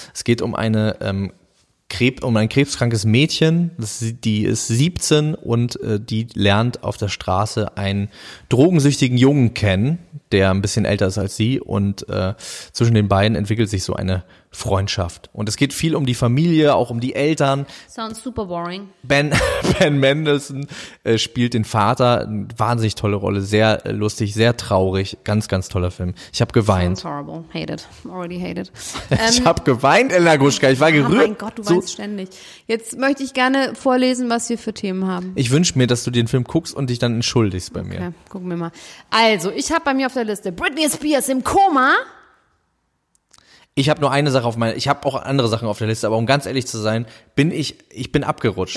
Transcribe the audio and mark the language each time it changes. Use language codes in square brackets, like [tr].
[de] Es geht um eine ein krebskrankes Mädchen, die ist 17 und die lernt auf der Straße einen drogensüchtigen Jungen kennen, der ein bisschen älter ist als sie und zwischen den beiden entwickelt sich so eine Freundschaft. Und es geht viel um die Familie, auch um die Eltern. [en] Sounds super boring. [de] Ben Mendelsohn spielt den Vater, eine wahnsinnig tolle Rolle, sehr lustig, sehr traurig, ganz, ganz toller Film. Ich habe geweint. [en] Sounds horrible, hated, already hated. [de] Ich habe geweint, Elena Groschka, ich war gerührt. Oh mein Gott, du weinst ständig. Jetzt möchte ich gerne vorlesen, was wir für Themen haben. Ich wünsche mir, dass du den Film guckst und dich dann entschuldigst bei mir. Okay, gucken wir mal. Also, ich habe bei mir auf der Liste Britney Spears im Koma. Ich habe nur eine Sache auf meiner, ich habe auch andere Sachen auf der Liste, aber um ganz ehrlich zu sein, bin ich abgerutscht.